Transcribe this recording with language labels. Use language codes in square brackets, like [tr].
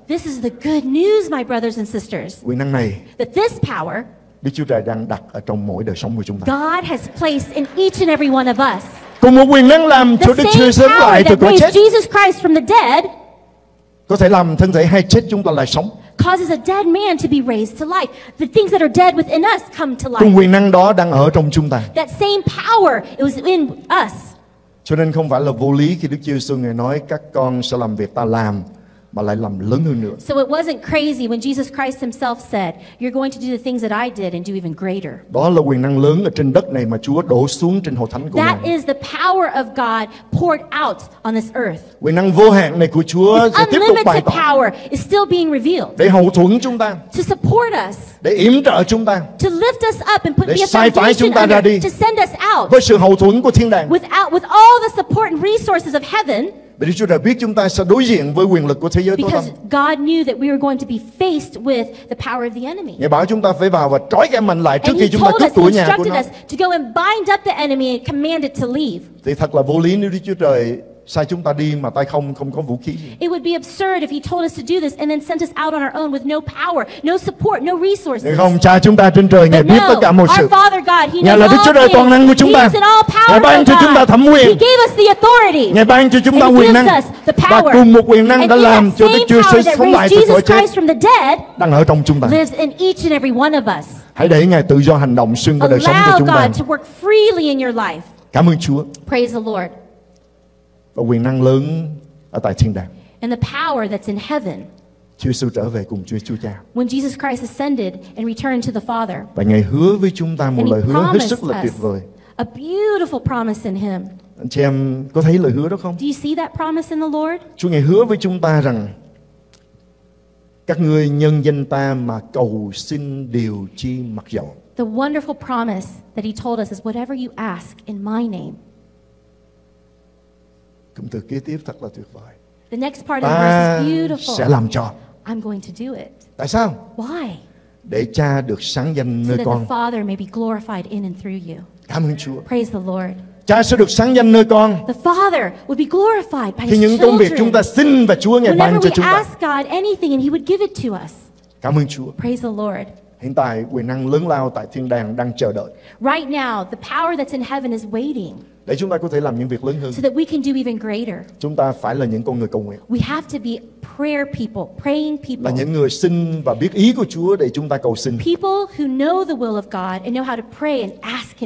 [en] This is the good news, my brothers and sisters. [vi] Quyền năng này. [en] That this power. [vi] Đức Chúa Trời đang đặt ở trong mỗi đời sống của chúng ta. [en] God has placed in each and every one of us. [vi] Cùng một quyền năng làm cho Đức Chúa sống lại từ cõi chết. [en] Jesus Christ from the dead. [vi] Có thể làm thân thể hay chết chúng ta lại sống. [en] Causes a dead man to be raised to life. The things that are dead within us come to life. [vi] Cùng quyền năng đó đang ở trong chúng ta. [en] That same power, it was in us. [vi] Cho nên không phải là vô lý khi Đức Chúa Giêsu ngài nói các con sẽ làm việc ta làm mà lại làm lớn hơn nữa. [en] So it wasn't crazy when Jesus Christ himself said, you're going to do the things that I did and do even greater. [vi] Đó là quyền năng lớn ở trên đất này mà Chúa đổ xuống trên hội thánh của [en] that [vi] ngài. [en] That is the power of God poured out on this earth. [vi] Quyền năng vô hạn này của Chúa sẽ tiếp tục bày tỏ. [en] Power is still being revealed. [vi] Để hậu thuẫn chúng ta. [en] To support us. [vi] Để yểm trợ chúng ta. [en] To lift us up and put [vi] để sai phái chúng ta ra đi. [en] To send us out. [vi] Với sự hậu thuẫn của thiên đàng. [en] With all the support and resources of heaven. [vi] Bởi Đức Chúa Trời biết chúng ta sẽ đối diện với quyền lực của thế giới tối tăm. [en] God knew that we were going to be faced with the power of the enemy. [vi] Ngài bảo chúng ta phải vào và trói cái mình lại trước khi chúng ta cướp của nhà của nó. [en] He instructed us to go and bind up the enemy and command it to leave. [vi] Thì thật là vô lý nếu Đức Chúa Trời sai chúng ta đi mà tay không có vũ khí. [en] It would be absurd if he told us to do this and then sent us out on our own with no power, no support, no resources. [vi] Nếu không, Cha chúng ta trên trời ngài biết tất cả mọi sự. Ngài là Đức Chúa Trời toàn năng của chúng ta. Ngài ban cho chúng ta thẩm quyền. [en] He gave us the authority. [vi] Ngài ban cho chúng ta quyền năng. Và cùng một quyền năng đã làm cho Đức Chúa Jesus sống lại từ cõi chết. Đang ở trong chúng ta. [en] Lives in each and every one of us. [vi] Hãy để ngài tự do hành động xuyên qua đời sống của chúng ta. [en] Allow God to work freely in your life. [vi] Cảm ơn Chúa. [en] Praise the Lord. [vi] Và quyền năng lớn ở tại thiên đàng. [en] And the power that's in heaven. [vi] Chúa Giêsu trở về cùng Chúa Cha. [en] When Jesus Christ ascended and returned to the Father. [vi] Và ngài hứa với chúng ta một lời hứa hết sức là tuyệt vời. [en] A beautiful promise in him. [vi] Anh chị em có thấy lời hứa đó không? [en] Do you see that promise in the Lord? [vi] Chúa ngài hứa với chúng ta rằng các ngươi nhân danh ta mà cầu xin điều chi mặc dầu. [en] The wonderful promise that he told us is whatever you ask in my name. [vi] Cụm từ kế tiếp thật là tuyệt vời. [en] The next part of the verse is beautiful. [vi] Sẽ làm cho. [en] I'm going to do it. [vi] Tại sao? [en] Why? [vi] Để Cha được sáng danh nơi [en] so [vi] con. [en] So that the Father may be glorified in and through you. [vi] Cảm ơn Chúa. [en] Praise the Lord. [vi] Cha sẽ được sáng danh nơi con. [en] The Father would be glorified by [vi] khi những [en] children. [vi] Công việc chúng ta xin và Chúa ngài ban cho chúng ta. [en] Whenever we ask God anything and He would give it to us. [vi] Cảm ơn Chúa. [en] Praise the Lord. [vi] Hiện tại quyền năng lớn lao tại thiên đàng đang chờ đợi. [en] Right now, the power that's in heaven is waiting. [vi] Để chúng ta có thể làm những việc lớn hơn. [en] So that we can do even greater. [vi] Chúng ta phải là những con người cầu nguyện. [en] We have to be prayer people, praying people. [vi] Là những người xin và biết ý của Chúa để chúng ta cầu xin. [en] People who know the will of God and know how to pray and ask Him to do it.